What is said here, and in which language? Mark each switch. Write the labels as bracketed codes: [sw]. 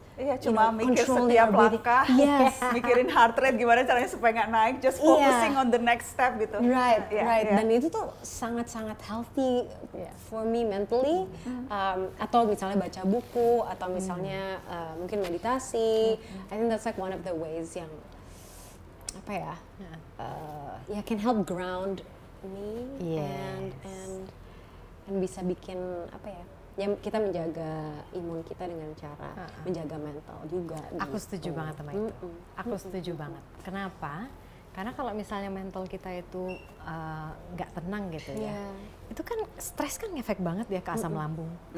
[id] Iya, cuma mikir setiap langkah, mikirin heart rate gimana caranya supaya nggak naik, [en] just focusing on the next step [id] gitu. [en] Right, right. [id] Dan itu tuh sangat-sangat [en] healthy for me mentally. [id] Atau misalnya baca buku, atau misalnya mungkin meditasi. [en] I think that's like one of the ways [id] yang apa ya, [en] can help ground me and [id] bisa bikin apa ya? Ya, kita menjaga imun kita dengan cara menjaga mental juga. Aku setuju banget sama itu. Aku setuju banget. Kenapa? Karena kalau misalnya mental kita itu nggak tenang gitu ya, itu kan stres kan ngefek banget ya ke asam lambung.